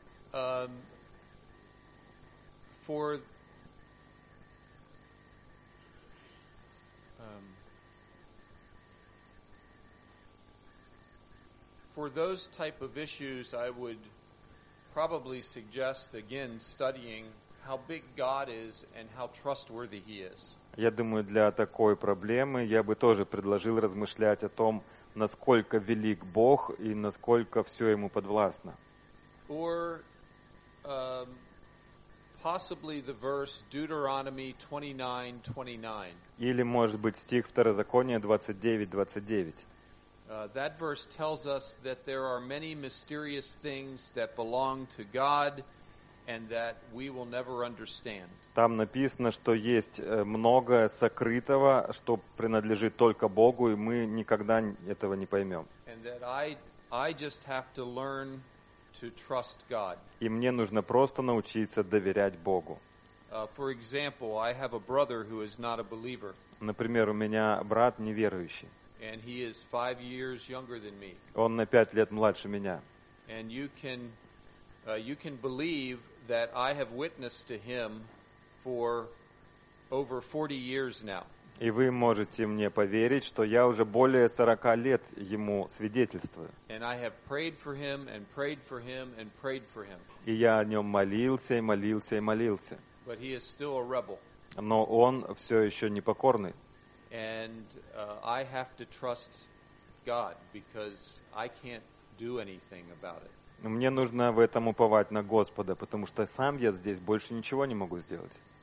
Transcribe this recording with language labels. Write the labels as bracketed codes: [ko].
[en] For those type of issues, I would probably suggest again studying how big God is and how trustworthy He is. [ru] Я думаю, для такой проблемы я бы тоже предложил размышлять о том, насколько велик Бог и насколько все ему подвластно. [en] Or possibly the verse Deuteronomy 29:29. [ru] Или, может быть, стих Второзакония 29:29. [en] That verse tells us that there are many mysterious things that belong to God and that we will never understand. [ru] Там написано, что есть много сокрытого, что принадлежит только Богу, и мы никогда этого не поймем. [en] And that I just have to learn to trust God. [ru] И мне нужно просто научиться доверять Богу. [en] For example, I have a brother who is not a believer. [ru] Например, у меня брат неверующий. [en] And he is 5 years younger than me. [ru] Он на 5 лет младше меня. [en] And you can believe that I have witnessed to him for over 40 years now. [ru] И вы можете мне поверить, что я уже более 40 лет ему свидетельствую. [en] And I have prayed for him and prayed for him and prayed for him. [ru] И я о нем молился и молился и молился. [en] But he is still a rebel. [ru] Но он все еще непокорный. [en] And I have to trust God because I can't do anything about it. [ru] Мне нужно в этом уповать на Господа, потому что сам я здесь больше ничего не могу сделать.